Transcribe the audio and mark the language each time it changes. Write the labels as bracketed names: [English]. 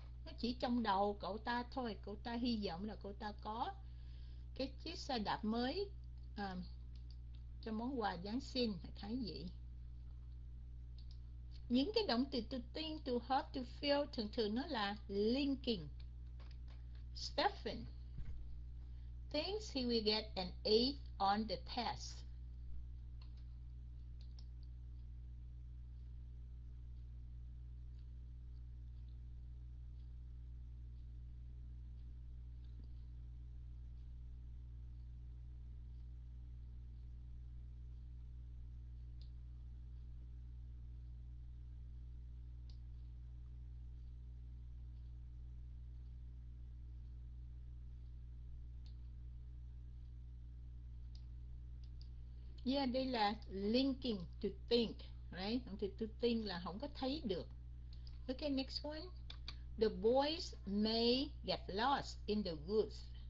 [Vietnamese] Nó chỉ trong đầu cậu ta thôi. Cậu ta hy vọng là cậu ta có cái chiếc xe đạp mới cho món quà Giáng sinh. Thấy vậy. Những cái động từ to think, to hope, to feel thường thường nó là linking. [English] Stephen thinks he will get an A on the test. [Vietnamese] Yeah, đây là linking to think, [English] right? [Vietnamese] Thì to think là không có thấy được. [English] Okay, next one. The boys may get lost in the woods.